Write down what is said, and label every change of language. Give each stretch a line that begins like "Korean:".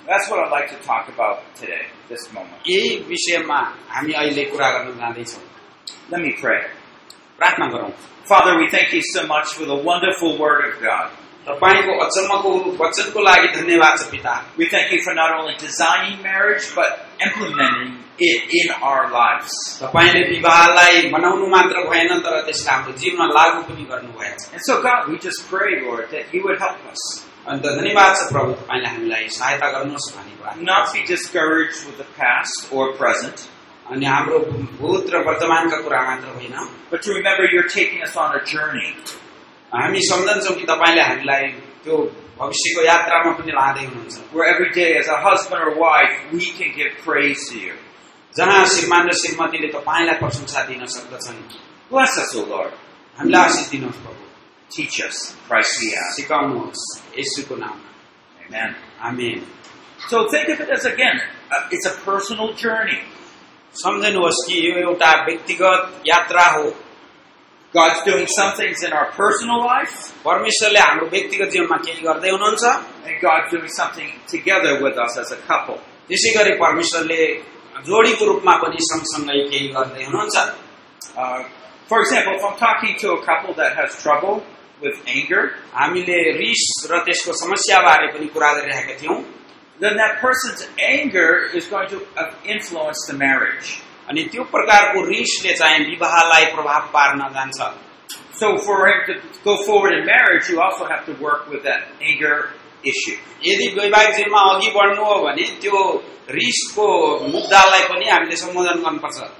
English: That's what I'd like to talk about today, this moment.
Nepali: यही विषयमा हामी अहिले कुरा गर्न जाँदैछौँ.
English: Let me pray.
Nepali: प्रार्थना गरौँ.
English: Father, we thank you so much for the wonderful word of God.
Nepali: तपाईँको अचम्मको वचनको लागि धन्यवाद छ पिता.
English: We thank you for not only designing marriage, but implementing it in our lives.
Nepali: तपाईँले विवाहलाई बनाउनु मात्र भएन तर त्यसलाई हाम्रो जीवनमा लागू पनि गर्नुभयो.
English: And so God, we just pray, Lord, that you would help us.
Nepali: अन्त धन्यवाद छ प्रभु, तपाईँले हामीलाई सहायता गर्नुहोस् भन्ने कुरा.
English: Not be discouraged with the past or present.
Nepali: अनि हाम्रो भूत र वर्तमानका कुरा मात्र होइन.
English: But to remember you're taking us on a journey.
Nepali: हामी सम्झन्छौँ कि तपाईँले हामीलाई त्यो भविष्यको यात्रामा पनि लाँदै हुनुहुन्छ.
English: Where every day as a husband or wife we can give praise to you.
Nepali: जहाँ श्रीमान र श्रीमतीले तपाईँलाई प्रशंसा दिन सक्दछन्.
English: Bless us, O Lord.
Nepali: हामीलाई आशिष दिनुहोस् प्रभु.
English: Teach us, Christ we ask.
Nepali: सिकाउनुहोस् यीशुको नाममा.
English: Amen.
Nepali: Amen.
English: So think of it as again, it's a personal journey.
Nepali: सम्झनुहोस् कि यो एउटा व्यक्तिगत यात्रा हो.
English: God's doing some things in our personal life.
Nepali: परमेश्वरले हाम्रो व्यक्तिगत जीवनमा केही गर्दै हुनुहुन्छ.
English: And God's doing something together with us as a couple.
Nepali: त्यसै गरी परमेश्वरले जोडीको रूपमा पनि सँगसँगै केही गर्दै हुनुहुन्छ.
English: For example, if I'm talking to a couple that has trouble with anger,
Nepali: हामीले रिस र त्यसको समस्या बारे पनि कुरा गरिरहेका थियौँ.
English: Then that person's anger is going to influence the marriage.
Nepali: अनि त्यो प्रकारको रिसले चाहिँ विवाहलाई प्रभाव पार्न जान्छ.
English: So for him to go forward in marriage, you also have to work with that anger issue.
Nepali: यदि वैवाहिक जीवनमा अघि बढ्नु हो भने त्यो रिसको मुद्दालाई पनि हामीले सम्बोधन गर्नुपर्छ.